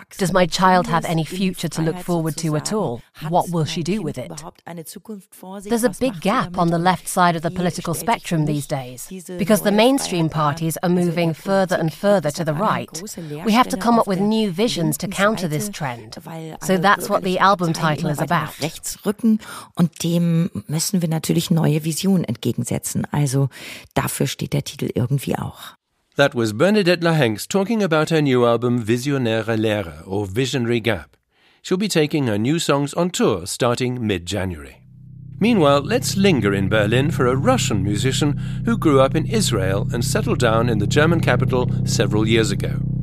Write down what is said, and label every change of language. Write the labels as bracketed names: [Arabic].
[English] Does my child have any future to look forward to at all? What will she do with it? There's a big gap on the left side of the political spectrum these days, because the mainstream parties are moving further and further to the right. We have to come up with new visions to counter this trend. So that's what the album title is about. [German] Und dem müssen wir natürlich neue Visionen entgegensetzen. Also dafür steht der Titel irgendwie auch. [English] That was Bernadette Lahengs talking about her new album Visionaire Lehre or Visionary Gap. She'll be taking her new songs on tour starting mid-January. Meanwhile, let's linger in Berlin for a Russian musician who grew up in Israel and settled down in the German capital several years ago.